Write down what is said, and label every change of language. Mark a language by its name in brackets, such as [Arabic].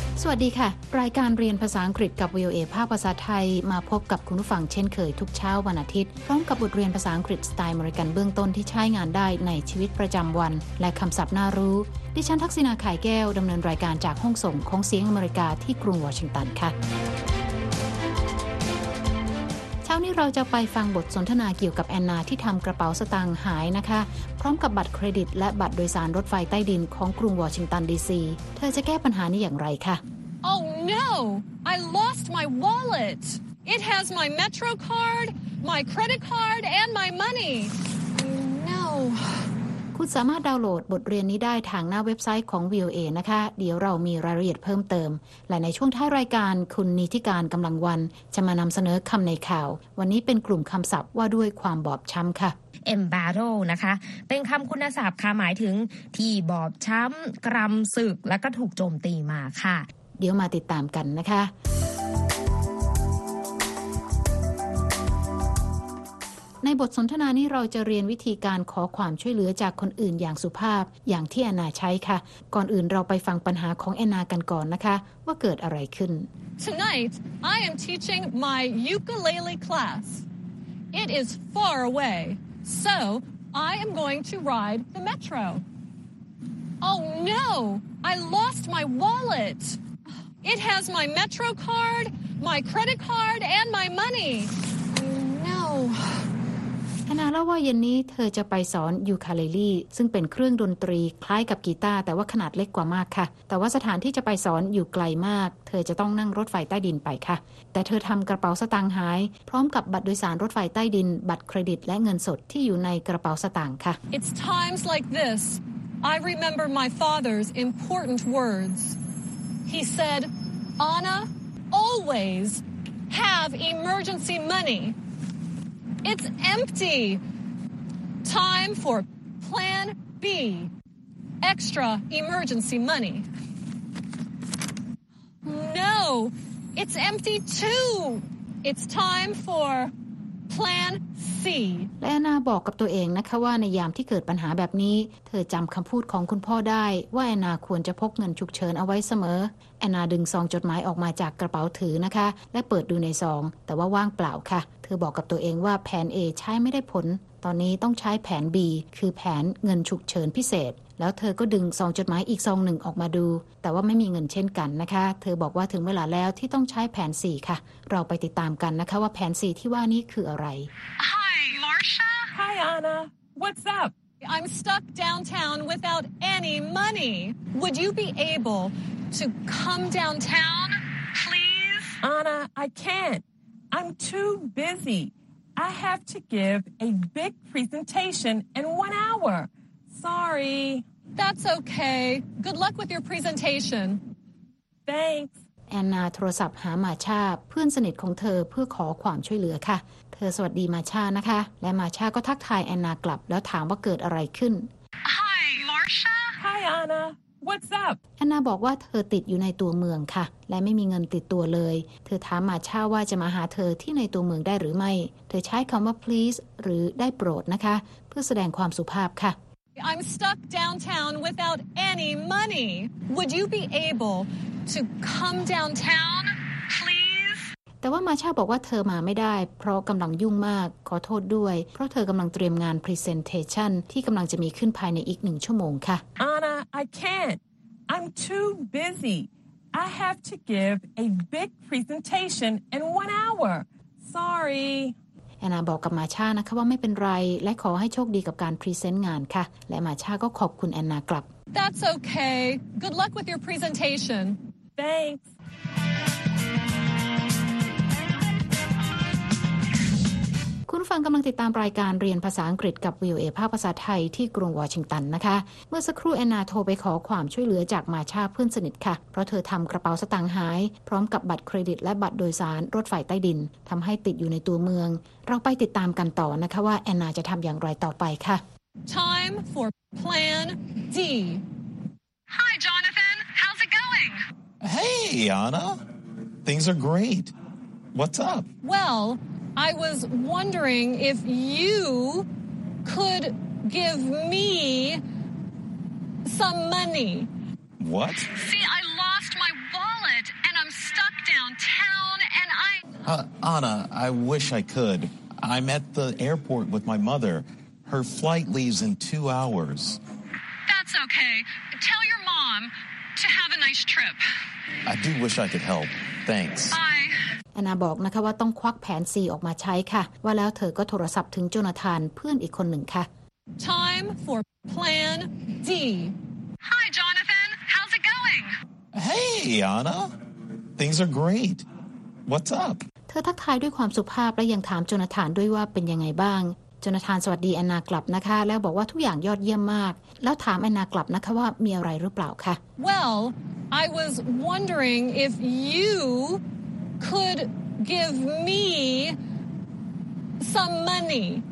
[Thai] วัสดีค่ะรายการเรียนภาษาอังกฤษกับ VOA ภาคภาษาไทยมาพบกับคุณผู้ฟังเช่นเคยทุกเช้าวันอาทิตย์พร้อมกับบทเรียนภาษาอังกฤษสไตล์อเมริกันเบื้องต้นที่ใช้งานได้ในชีวิตประจำวันและคำศัพท์น่ารู้ดิฉันทักษิณาไข่แก้วดำเนินรายการจากห้องส่งของเสียงอเมริกาที่กรุงวอชิงตันค่ะ วันนี้เราจะไปฟังบทสนทนาเกี่ยวกับแอนนาที่ทำกระเป๋าสตางค์หายนะคะพร้อมกับบัตรเครดิตและบัตรโดยสารรถไฟใต้ดินของกรุงวอชิงตันดีซีเธอจะแก้ปัญหานี้อย่างไรคะ [English] Oh no! I lost my wallet. It has my Metro card, my credit card, and my money. No. [Thai] คุณสามารถดาวน์โหลดบทเรียนนี้ได้ทางหน้าเว็บไซต์ของ VOA นะคะเดี๋ยวเรามีรายละเอียดเพิ่มเติมและในช่วงท้ายรายการคุณนิติการกำลังวันจะมานำเสนอคำในข่าววันนี้เป็นกลุ่มคำศัพท์ว่าด้วยความบอบช้ำค่ะ Embattle นะคะเป็นคำคุณศัพท์ค่ะหมายถึงที่บอบช้ำกรำสึกและก็ถูกโจมตีมาค่ะ เดี๋ยวมาติดตามกันนะคะในบทสนทนานี้เราจะเรียนวิธีการขอความช่วยเหลือจากคนอื่นอย่างสุภาพอย่างที่แอนนาใช้ค่ะก่อนอื่นเราไปฟังปัญหาของแอนนากันก่อนนะคะว่าเกิดอะไรขึ้น [English] Tonight I am teaching my ukulele class. It is far away. So, I am going to ride the metro. Oh no! I lost my wallet. It has my metro card, my credit card and my money. No. [Thai] แอนนาเล่าว่าเย็นนี้เธอจะไปสอนยูคาเลลี่ซึ่งเป็นเครื่องดนตรีคล้ายกับกีตาร์แต่ว่าขนาดเล็กกว่ามากค่ะแต่ว่าสถานที่จะไปสอนอยู่ไกลมากเธอจะต้องนั่งรถไฟใต้ดินไปค่ะแต่เธอทำกระเป๋าสตางค์หายพร้อมกับบัตรโดยสารรถไฟใต้ดินบัตรเครดิตและเงินสดที่อยู่ในกระเป๋าสตางค์ค่ะ [English] It's times like this I remember my father's important words He said Anna always have emergency moneyIt's empty. Time for Plan B. Extra emergency money. No, it's empty too. It's time for Plan C. [Thai] และนาบอกกับตัวเองนะคะว่าในยามที่เกิดปัญหาแบบนี้เธอจำคำพูดของคุณพ่อได้ว่าแอนนาควรจะพกเงินฉุกเฉินเอาไว้เสมอแอนนาดึงซองจดหมายออกมาจากกระเป๋าถือนะคะและเปิดดูในซองแต่ว่าว่างเปล่าค่ะเธอบอกกับตัวเองว่าแผน A ใช้ไม่ได้ผลตอนนี้ต้องใช้แผน B คือแผนเงินฉุกเฉินพิเศษแล้วเธอก็ดึงซองจดหมายอีกซองหนึ่งออกมาดูแต่ว่าไม่มีเงินเช่นกันนะคะเธอบอกว่าถึงเวลาแล้วที่ต้องใช้แผน C ค่ะเราไปติดตามกันนะคะว่าแผน C ที่ว่านี้คืออะไร [English] Hi Marcia Hi Anna What's up I'm stuck downtown without any money Would you be able to come downtown please Anna I can'tI'm too busy. I have to give a big presentation in 1 hour. Sorry. That's okay. Good luck with your presentation. Thanks. [Thai] แอนนาโทรศัพท์หามาชาเพื่อนสนิทของเธอเพื่อขอความช่วยเหลือค่ะเธอสวัสดีมาชานะคะและมาชาก็ทักทายแอนนากลับแล้วถามว่าเกิดอะไรขึ้น [English] Hi, Marcia. Hi, Anna. What's up? [Thai] แอนนาบอกว่าเธอติดอยู่ในตัวเมืองค่ะและไม่มีเงินติดตัวเลยเธอถามมาชาว่าจะมาหาเธอที่ในตัวเมืองได้หรือไม่เธอใช้คำว่า please หรือได้โปรดนะคะเพื่อแสดงความสุภาพค่ะ [English] I'm stuck downtown without any money. Would you be able to come downtown, please? [Thai] แต่ว่ามาชาบอกว่าเธอมาไม่ได้เพราะกำลังยุ่งมากขอโทษด้วยเพราะเธอกำลังเตรียมงาน presentation ที่กำลังจะมีขึ้นภายในอีก1 ชั่วโมงค่ะ [English] I can't. I'm too busy. I have to give a big presentation in 1 hour. Sorry. [Thai] แอนนาบอกกับมาชานะคะว่าไม่เป็นไรและขอให้โชคดีกับการพรีเซนต์งานค่ะและมาชาก็ขอบคุณแอนนากลับ [English] That's okay. Good luck with your presentation. Thanks. [Thai] คุณฟังกำลังติดตามรายการเรียนภาษาอังกฤษกับ VOA ภาคภาษาไทยที่กรุงวอชิงตันนะคะเมื่อสักครู่แอนนาโทรไปขอความช่วยเหลือจากมาชาเพื่อนสนิทค่ะเพราะเธอทำกระเป๋าสตางค์หายพร้อมกับบัตรเครดิตและบัตรโดยสารรถไฟใต้ดินทำให้ติดอยู่ในตัวเมืองเราไปติดตามกันต่อนะคะว่าแอนนาจะทำอย่างไรต่อไปค่ะ [English] Time for Plan D Hi Jonathan How's it going Hey Anna Things are great What's up WellI was wondering if you could give me some money. What? See, I lost my wallet. downtown, and I... Anna, I wish I could. I'm at the airport with my mother. Her flight leaves in 2 hours. That's okay. Tell your mom to have a nice trip. I do wish I could help. Thanks. Bye. [Thai] อานาบอกนะคะว่าต้องควักแผน4ออกมาใช้ค่ะว่าแล้วเธอก็โทรศัพท์ถึงโจนาธานเพื่อนอีกคนหนึ่งค่ะ [English] Time for plan D Hi Jonathan how's it going Hey Anna things are great What's up [Thai] เธอทักทายด้วยความสุภาพและยังถามโจนาธานด้วยว่าเป็นยังไงบ้างโจนาธานสวัสดีอานากลับนะคะแล้วบอกว่าทุกอย่างยอดเยี่ยมมากแล้วถามอานากลับนะคะว่ามีอะไรหรือเปล่าคะ [English] Well I was wondering if youCould give me some money.